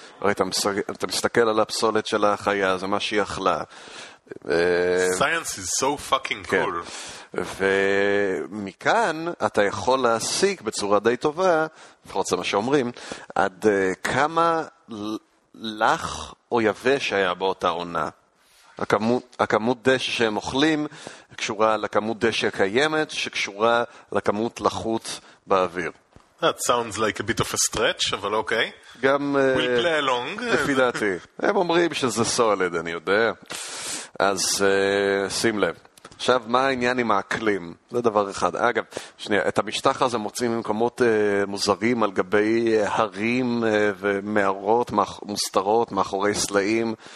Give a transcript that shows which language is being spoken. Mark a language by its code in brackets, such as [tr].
[he] הרי אתה מסתכל על הפסולת של החיה, זה מה שהיא אכלה. [en] Science is so fucking cool. [he] ומכאן אתה יכול להשיג בצורה די טובה, לפחות זה מה שאומרים, עד כמה לך או יבש היה באותה עונה. הכמות דשא שהם אוכלים קשורה לכמות דשא קיימת שקשורה לכמות לחות באוויר. [en] That sounds like a bit of a stretch, [he] אבל אוקיי. [en] Okay. [he] גם [en] we'll play along. [he] לפי דעתי. הם אומרים שזה סולד, אני יודע. אז שים לב. עכשיו, מה העניין עם האקלים? זה דבר אחד. אגב, שנייה, את המשטח הזה מוצאים ממקומות מוזרים על גבי הרים ומערות מוסתרות מאחורי סלעים.